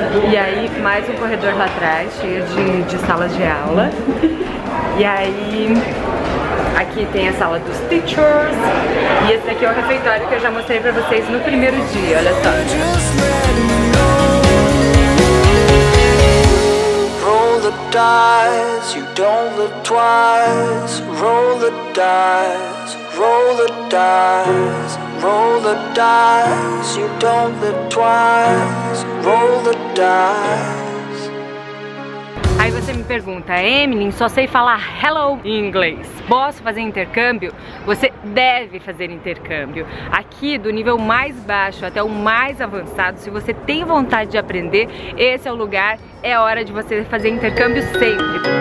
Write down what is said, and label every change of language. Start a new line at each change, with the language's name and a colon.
Portuguese: E aí mais um corredor lá atrás, cheio de salas de aula. E aí... aqui tem a sala dos teachers. E esse aqui é o refeitório que eu já mostrei pra vocês no primeiro dia, olha só.
English: Roll the dice, you don't look twice. Roll the dice, roll the dice. Roll the dice, you don't look twice. Roll the dice.
Portuguese: Aí você me pergunta, Emily, só sei falar hello em inglês. Posso fazer intercâmbio? Você deve fazer intercâmbio. Aqui, do nível mais baixo até o mais avançado, se você tem vontade de aprender, esse é o lugar, é hora de você fazer intercâmbio sempre.